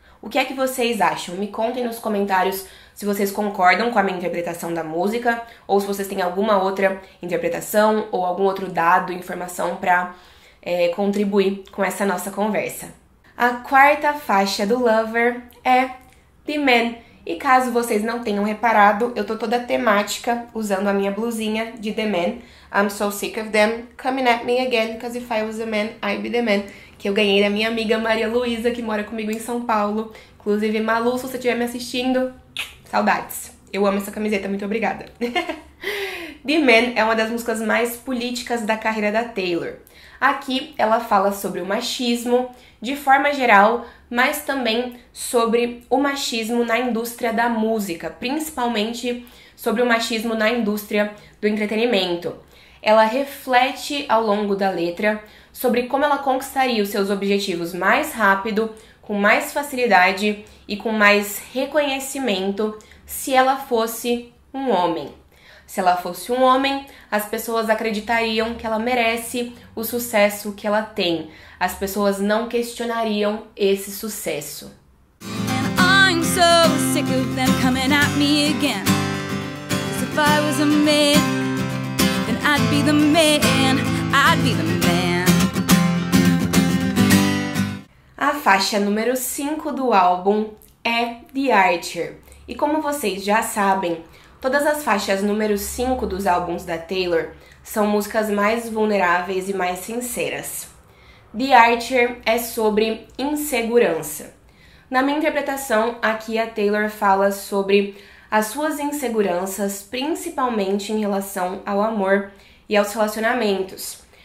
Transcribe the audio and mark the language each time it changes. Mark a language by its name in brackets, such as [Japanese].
[Portuguese] O que é que vocês acham? Me contem nos comentários se vocês concordam com a minha interpretação da música, ou se vocês têm alguma outra interpretação, ou algum outro dado, informação para contribuir com essa nossa conversa. A quarta faixa do Lover é The Man. E caso vocês não tenham reparado, eu tô toda temática usando a minha blusinha de The Man. [English] I'm so sick of them coming at me again, because if I was a man, I'd be the man. [Portuguese] Que eu ganhei da minha amiga Maria Luísa, que mora comigo em São Paulo. Inclusive, Malu, se você estiver me assistindo, saudades. Eu amo essa camiseta, muito obrigada. The Man é uma das músicas mais políticas da carreira da Taylor. Aqui ela fala sobre o machismo de forma geral, mas também sobre o machismo na indústria da música, principalmente sobre o machismo na indústria do entretenimento. Ela reflete ao longo da letra sobre como ela conquistaria os seus objetivos mais rápido, com mais facilidade e com mais reconhecimento se ela fosse um homem. Se ela fosse um homem, as pessoas acreditariam que ela merece o sucesso que ela tem. As pessoas não questionariam esse sucesso. [English] And I'm so sick of them coming at me again. 'Cause if I was a man, then I'd I'd be the man, I'd be the man. [Portuguese] A faixa número 5 do álbum é The Archer. E como vocês já sabem, todas as faixas número 5 dos álbuns da Taylor são músicas mais vulneráveis e mais sinceras. The Archer é sobre insegurança. Na minha interpretação, aqui a Taylor fala sobre as suas inseguranças, principalmente em relação ao amor e aos relacionamentos.